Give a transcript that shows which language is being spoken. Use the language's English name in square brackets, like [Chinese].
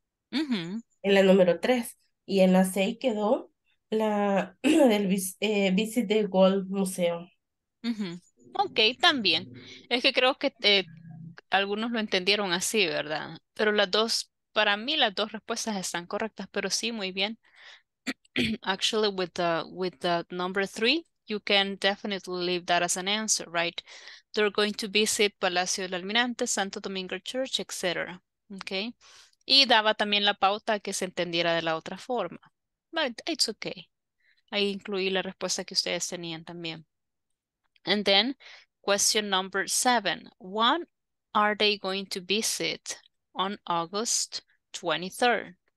[Spanish] En la número 3. Y en la 6 quedó la del visit the World Museum. Ok, también. Es que creo que algunos lo entendieron así, ¿verdad? Pero las dos, para mí las dos respuestas están correctas, pero sí, muy bien. [English] Actually, with the number 3, you can definitely leave that as an answer, right? They're going to visit Palacio del Almirante, Santo Domingo Church, etc. Okay? [Spanish] Y daba también la pauta que se entendiera de la otra forma. [English] But it's okay. [Spanish] Ahí incluí la respuesta que ustedes tenían también. [English] And then, question number 7. What are they going to visit on August 23rd?